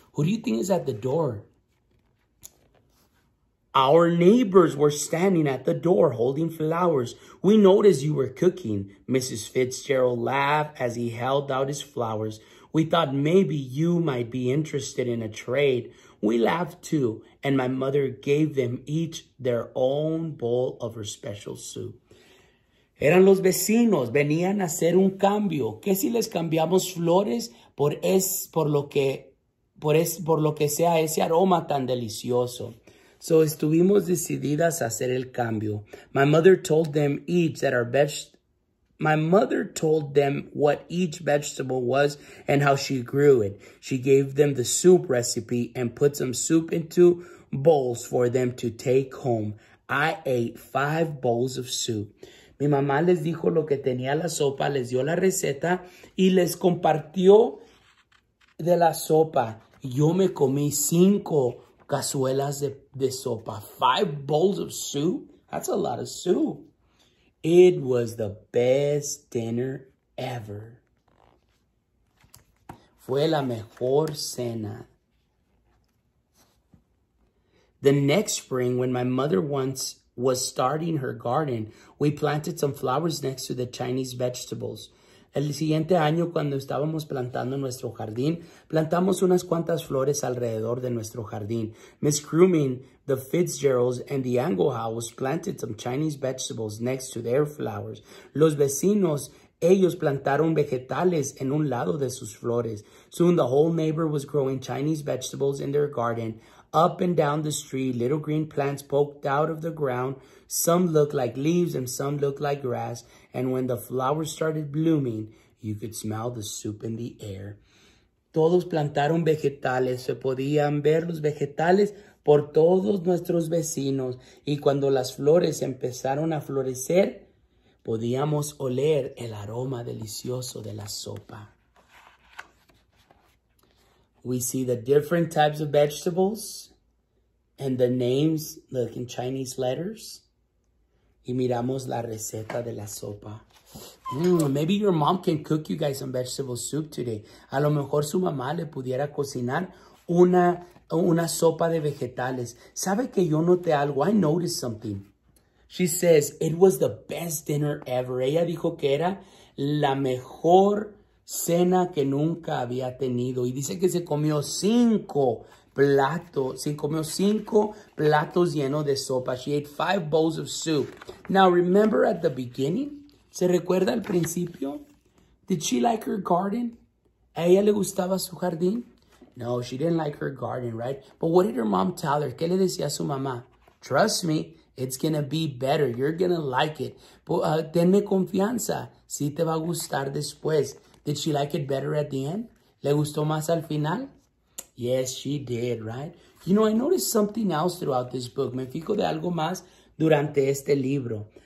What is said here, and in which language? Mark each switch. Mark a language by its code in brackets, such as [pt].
[en] Who do you think is at the door? Our neighbors were standing at the door holding flowers. We noticed you were cooking. Mrs. Fitzgerald laughed as he held out his flowers. We thought maybe you might be interested in a trade. We laughed too, and my mother gave them each their own bowl of her special soup. [es] Eran los vecinos, venían a hacer un cambio. ¿Qué si les cambiamos flores por lo que sea ese aroma tan delicioso? So estuvimos decididas a hacer el cambio. [en] My mother told them what each vegetable was and how she grew it. She gave them the soup recipe and put some soup into bowls for them to take home. I ate 5 bowls of soup. [es] Mi mamá les dijo lo que tenía la sopa, les dio la receta y les compartió de la sopa. Yo me comí 5 cazuelas de sopa. [en] 5 bowls of soup? That's a lot of soup. It was the best dinner ever. [es] Fue la mejor cena. [en] The next spring, when my mother once was starting her garden, we planted some flowers next to the Chinese vegetables. [es] El siguiente año, cuando estábamos plantando nuestro jardín, plantamos unas cuantas flores alrededor de nuestro jardín. [en] Miss Crewmarine, the Fitzgeralds, and the Angle House planted some Chinese vegetables next to their flowers. [es] Los vecinos, ellos plantaron vegetales en un lado de sus flores. [en] Soon the whole neighbor was growing Chinese vegetables in their garden. Up and down the street, little green plants poked out of the ground. Some looked like leaves and some looked like grass. And when the flowers started blooming, you could smell the soup in the air. [es] Todos plantaron vegetales. Se podían ver los vegetales por todos nuestros vecinos. Y cuando las flores empezaron a florecer, podíamos oler el aroma delicioso de la sopa. [en] We see the different types of vegetables and the names, like in Chinese letters. [es] Y miramos la receta de la sopa. [en] Maybe your mom can cook you guys some vegetable soup today. [es] A lo mejor su mamá le pudiera cocinar una sopa de vegetales. ¿Sabe que yo noté algo? [en] I noticed something. She says, it was the best dinner ever. [es] Ella dijo que era la mejor cena que nunca había tenido. Y dice que se comió cinco platos llenos de sopa. [en] She ate 5 bowls of soup. Now, remember at the beginning? [es] ¿Se recuerda al principio? [en] Did she like her garden? [es] ¿A ella le gustaba su jardín? [en] No, she didn't like her garden, right? But what did her mom tell her? [es] ¿Qué le decía a su mamá? [en] Trust me. It's going to be better. You're going to like it. [es] Tenme confianza. Si te va a gustar después. [en] Did she like it better at the end? [es] ¿Le gustó más al final? [en] Yes, she did, right? You know, I noticed something else throughout this book. [es] Me fijo de algo más durante este libro.